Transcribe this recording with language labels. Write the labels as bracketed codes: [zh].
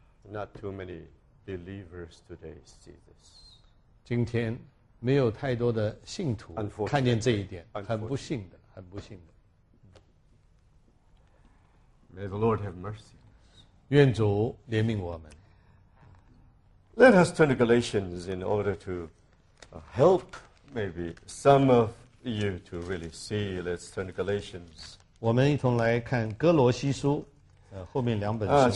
[en] Not too many believers today see this. [zh] 今天没有太多的信徒看见这一点，很不幸的，很不幸的。 [en] May the Lord have mercy. [zh] 愿主怜悯我们。 [en] Let us turn to Galatians in order to help maybe some of you to really see. Let's turn to Galatians. [zh] 我们一同来看哥罗西书，后面两本书。